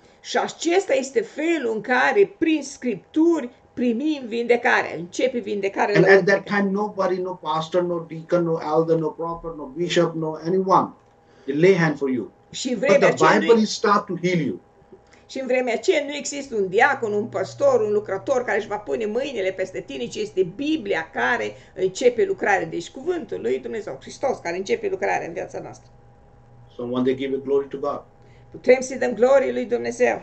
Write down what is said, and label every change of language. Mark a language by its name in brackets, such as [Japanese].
[Romanian] Și acesta este felul în care prin scripturi primim vindecare, începe vindecarea. [English] And at that time nobody, no pastor, no deacon, no elder, no prophet, no bishop, no anyone, they lay hand for you. [Romanian] Și vremea [English] but the Bible start to heal you. [Romanian] Și în vremea aceea nu există un diacon, un păstor, un lucrător care își va pune mâinile peste tine, ci este Biblia care începe lucrarea. Deci cuvântul lui Dumnezeu, Hristos, care începe lucrarea în viața noastră. [English] Someone they give a glory to God. [Romanian] Putem să-i dăm glorie lui Dumnezeu.